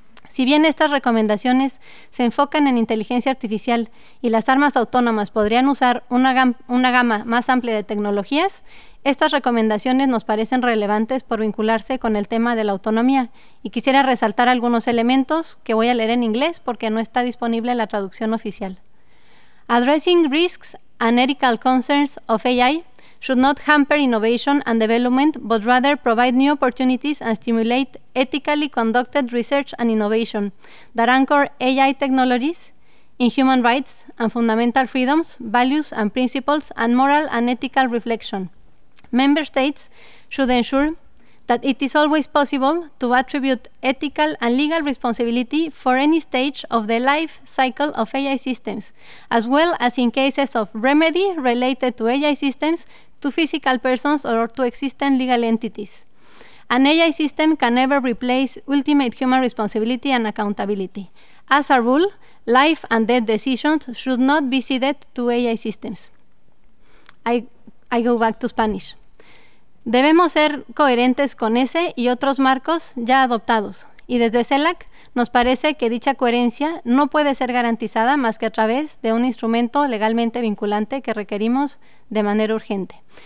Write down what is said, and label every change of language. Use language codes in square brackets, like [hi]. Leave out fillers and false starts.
[es] Si bien estas recomendaciones se enfocan en inteligencia artificial y las armas autónomas podrían usar una gama más amplia de tecnologías, estas recomendaciones nos parecen relevantes por vincularse con el tema de la autonomía, y quisiera resaltar algunos elementos que voy a leer en inglés porque no está disponible la traducción oficial. [en] Addressing risks and ethical concerns of AI should not hamper innovation and development, but rather provide new opportunities and stimulate ethically conducted research and innovation that anchor AI technologies in human rights and fundamental freedoms, values and principles, and moral and ethical reflection. Member states should ensure that it is always possible to attribute ethical and legal responsibility for any stage of the life cycle of AI systems, as well as in cases of remedy related to AI systems, to physical persons or to existing legal entities. An AI system can never replace ultimate human responsibility and accountability. As a rule, life and death decisions should not be ceded to AI systems. I go back to Spanish. [es] Debemos ser coherentes con ese y otros marcos ya adoptados, y desde CELAC nos parece que dicha coherencia no puede ser garantizada más que a través de un instrumento legalmente vinculante que requerimos de manera urgente.